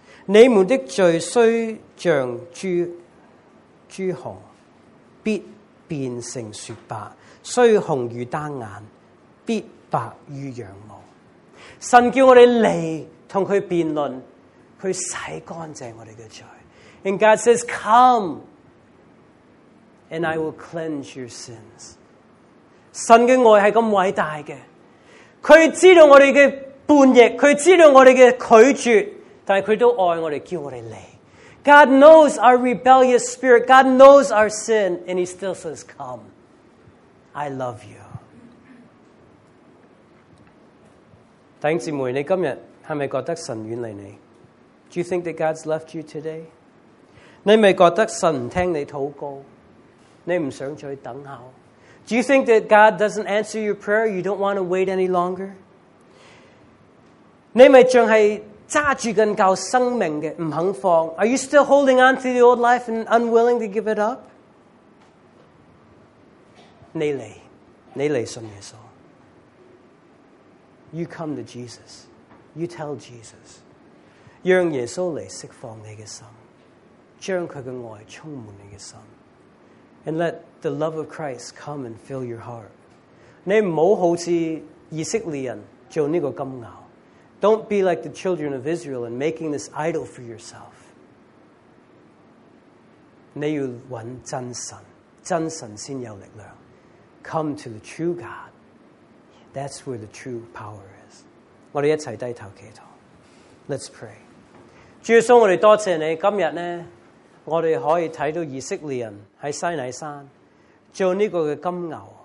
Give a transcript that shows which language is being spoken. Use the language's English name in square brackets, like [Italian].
[Chinese] 你们的罪虽像朱红，必变成雪白；虽红如丹眼，必白如羊毛。神叫我们来跟他辩论，他洗干净我们的罪。 [English] And God says, come, and I will cleanse your sins. [Chinese] 神的爱是这么伟大的，他知道我们的叛逆，他知道我们的拒绝，但是他都爱我们，叫我们来。 [English] God knows our rebellious spirit, God knows our sin, and he still says, come, I love you. [Chinese] 弟兄姊妹，你今日是不是觉得神远离你？ [English] Do you think that God's left you today? [Chinese] 你是不是觉得神不听你祷告？你不想再等候？ [English] Do you think that God doesn't answer your prayer? You don't want to wait any longer? [Chinese] 你是不是还是揸住紧旧生命的，不肯放？ [English] Are you still holding on to the old life and unwilling to give it up? [Chinese] 你来，你来信耶稣。 [English] You come to Jesus. You tell Jesus. [Chinese] 让耶稣来释放你的心，将他的爱充满你的心。 [English] And let the love of Christ come and fill your heart. [Chinese] 你不要好像以色列人做这个金牛。 [English] Don't be like the children of Israel and making this idol for yourself. [Chinese] 你要找真神，真神才有力量。 [English] Come to the true God. That's where the true power is. [Chinese] 我们一起低头祈祷。 [English] Let's pray. [Chinese] 主耶稣，我们多谢你。今天呢，我们可以看到以色列人在西乃山做这个的金牛。